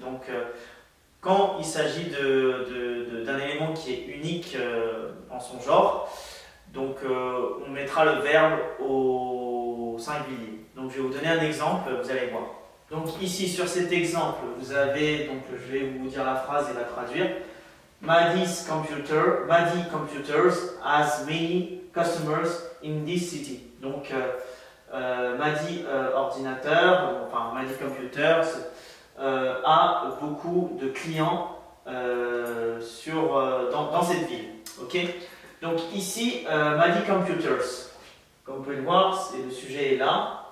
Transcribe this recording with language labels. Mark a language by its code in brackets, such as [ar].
[fr] Donc quand il s'agit d'un élément qui est unique en son genre, donc on mettra le verbe au singulier. Donc je vais vous donner un exemple, vous allez voir. Donc ici sur cet exemple, vous avez donc je vais vous dire la phrase et la traduire. [en] Maddy Computers has many customers in this city. [fr] Donc Maddy ordinateur, enfin Maddy Computers a beaucoup de clients dans cette ville. Ok? Donc ici Maddy Computers, comme vous pouvez le voir, c'est le sujet est là.